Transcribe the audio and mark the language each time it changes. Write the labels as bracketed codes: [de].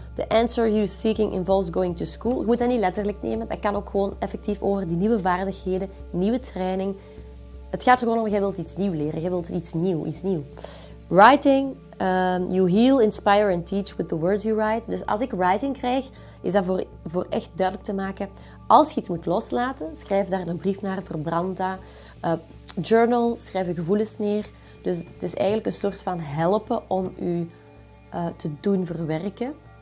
[en] The answer you're seeking involves going to school. [nl] Je moet dat niet letterlijk nemen. Dat kan ook gewoon effectief over die nieuwe vaardigheden, nieuwe training. Het gaat er gewoon om, jij wilt iets nieuws leren. Jij wilt iets nieuw. Writing. [en] You heal, inspire and teach with the words you write. [nl] Dus als ik writing krijg, is dat voor echt duidelijk te maken. Als je iets moet loslaten, schrijf daar een brief naar, verbrand dat. Journal, schrijf je gevoelens neer. Dus het is eigenlijk een soort van helpen om je te doen verwerken.